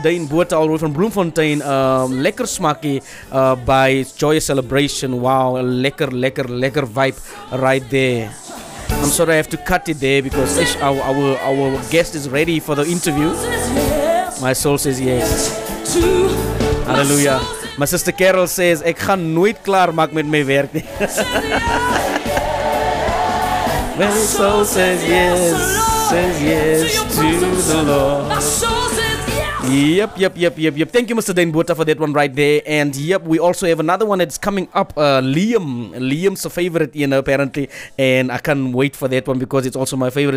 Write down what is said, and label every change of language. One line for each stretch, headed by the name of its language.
English: Dane Boerta, all the way from Bloemfontein. Lekker Smaki by Joyous Celebration. Wow, a lekker vibe right there. I'm sorry I have to cut it there because our guest is ready for the interview. My soul says yes. Hallelujah. My sister Carol says,
Afrikaans: ek gaan nooit klaar maak met my werk.
English: When my soul says yes, says yes to the Lord. Yep. Thank you, Mr. Dane Buta, for that one right there. And yep, we also have another one that's coming up. Liam. Liam's a favorite, you know, apparently. And I can't wait for that one because it's also my favorite.